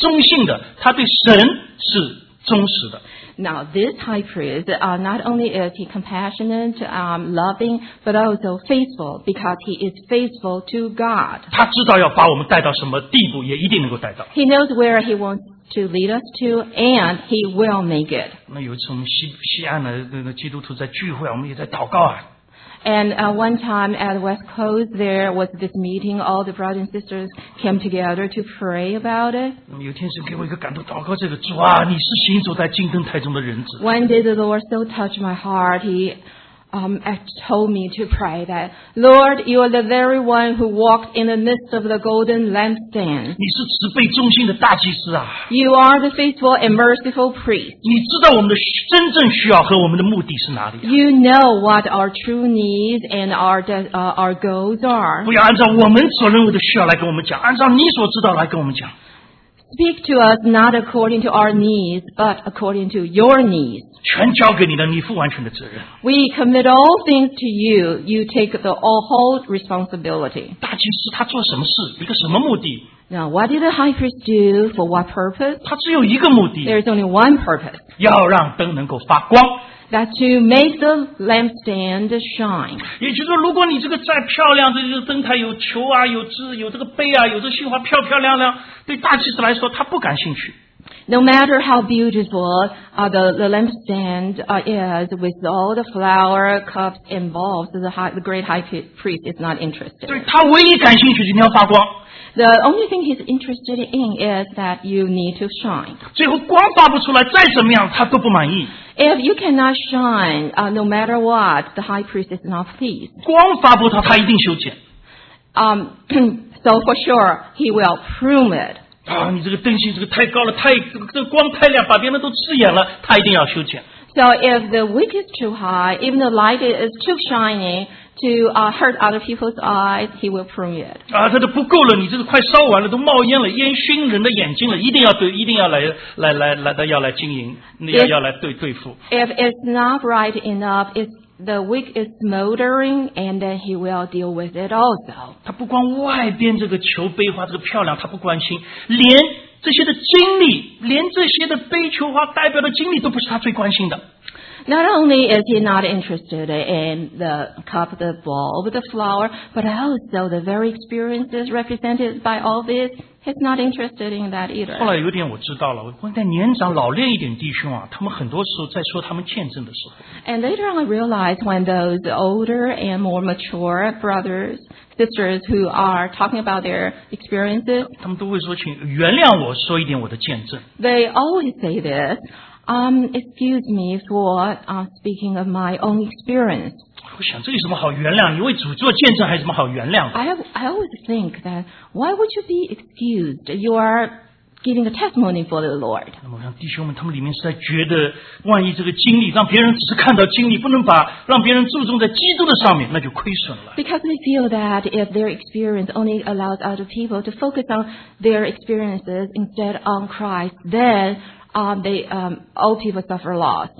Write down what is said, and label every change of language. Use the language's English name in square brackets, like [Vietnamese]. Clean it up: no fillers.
[Chinese] 这一位大祭司不光慈爱体恤的，他是忠信的，他对神是忠实的。 [English] Now this high priest, not only is he compassionate, loving, but also faithful, because he is faithful to God. [Chinese] 他知道要把我们带到什么地步，也一定能够带到。 [English] He knows where he wants to lead us to, and he will make it. [Chinese] 那有一次我们西岸的那个基督徒在聚会，我们也在祷告啊。 [English] And one time at West Coast, there was this meeting. All the brothers and sisters came together to pray about it. [Chinese] 有天神给我一个感动，祷告这个主啊，你是行走在金灯台中的人子。 [English] One day the Lord so touched my heart. He told me to pray that, Lord, you are the very one who walked in the midst of the golden lampstand. [Chinese] 你是慈悲忠心的大祭司啊。 [English] You are the faithful and merciful priest. [Chinese] 你知道我们的真正需要和我们的目的是哪里啊。 [English] You know what our true needs and our goals are. [Chinese] 不要按照我们所认为的需要来跟我们讲，按照你所知道来跟我们讲。 [English] speak to us not according to our needs, but according to your needs. [Chinese] 全交给你的，你负完全的责任。 [English] We commit all things to you. You take the whole responsibility. [Chinese] 大祭司他做什么事，一个什么目的？ [English] Now, what did the high priest do for what purpose? [Chinese] 他只有一个目的。 [English] There is only one purpose. [Chinese] 要让灯能够发光。 [English] That to make the lampstand shine. [Chinese] 也就是说，如果你这个再漂亮，这个灯台有球啊，有枝，有这个杯啊，有这绣花，漂漂亮亮，对大祭司来说，他不感兴趣。 [English] No matter how beautiful the lampstand is with all the flower cups involved, the great high priest is not interested. [Chinese] 对他唯一感兴趣，今天要发光。 [English] The only thing he's interested in is that you need to shine. [Chinese] 最后光发不出来，再怎么样他都不满意。 [English] If you cannot shine, no matter what, the high priest is not pleased. [Chinese] 光发不出来，他一定修剪。 [English] so for sure, he will prune it. [Chinese] 啊，你这个灯芯这个太高了，太这光太亮，把别人都刺眼了，他一定要修剪。 [English] So if the wick is too high, even the light is too shiny to hurt other people's eyes, he will prune it. [Chinese] 啊，这都不够了，你这个快烧完了，都冒烟了，烟熏人的眼睛了，一定要来经营，要来对付。 [English] If it's not bright enough, if the wick is smoldering, and then he will deal with it also. [Chinese] 他不光外边这个球杯花这个漂亮，他不关心，连。这些的经历，连这些的杯球花代表的经历都不是他最关心的。 [English] Not only is he not interested in the cup, the bulb, the flower, but also the very experiences represented by all this, he's not interested in that either. [Chinese] 后来有点我知道了，我问点年长老练一点弟兄啊，他们很多时候在说他们见证的时候。 [English] And later on, I realized when those older and more mature brothers, sisters who are talking about their experiences, [Chinese] 他们都会说，请原谅我说一点我的见证。 [English] They always say this. Excuse me for speaking of my own experience. [Chinese] 我想这有什么好原谅？你为主做见证还有什么好原谅的？ [English] I always think that why would you be excused? You are giving a testimony for the Lord. [Chinese] 那么我想弟兄们，他们里面是在觉得，万一这个经历让别人只是看到经历，不能把让别人注重在基督的上面，那就亏损了。 [English] Because they feel that if their experience only allows other people to focus on their experiences instead on Christ, then all people suffer loss.